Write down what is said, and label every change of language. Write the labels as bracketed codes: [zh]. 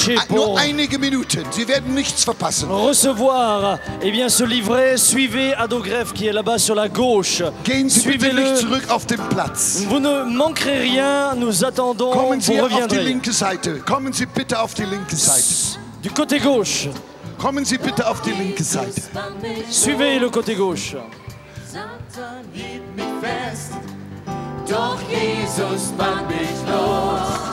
[de] Nur einige Minuten. Sie werden nichts verpassen. [fr] Recevoir, eh bien, ce livret. Suivez Atto Greff, qui est là-bas sur la gauche. [de] Gehen Sie [fr] Suivez-le. [de] Bitte nicht zurück auf den Platz. [fr] Vous ne manquerez rien. Nous attendons. [de] Kommen Sie [fr] vous reviendrez. [de] Auf die linke Seite. Kommen Sie bitte auf die linke Seite. [fr] Du côté gauche. [de] Kommen Sie bitte auf die linke Seite. [fr] Suivez le côté gauche. [de] Satan hielt mich fest, doch Jesus band mich los.